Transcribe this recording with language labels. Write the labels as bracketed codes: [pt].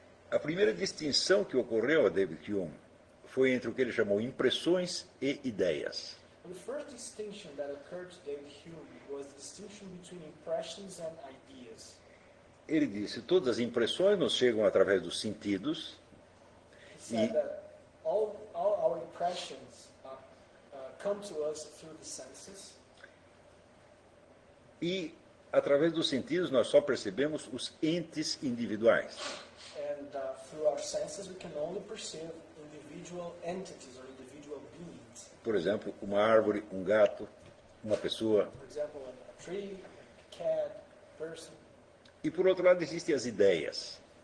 [pt] A primeira distinção que ocorreu a David Hume foi entre o que ele chamou impressões e ideias. [en] The first distinction that occurred to David Hume was the distinction between impressions and ideas. [pt] Ele disse: todas as impressões nos chegam através dos sentidos. [en] He said that all our impressions come to us through the senses. [pt] E através dos sentidos nós só percebemos os entes individuais. [en] And through our senses we can only perceive individual entities or individual beings. [pt] Por exemplo, uma árvore, um gato, uma pessoa. [en] For example, a tree, a cat, person. [pt] E por outro lado existem as ideias.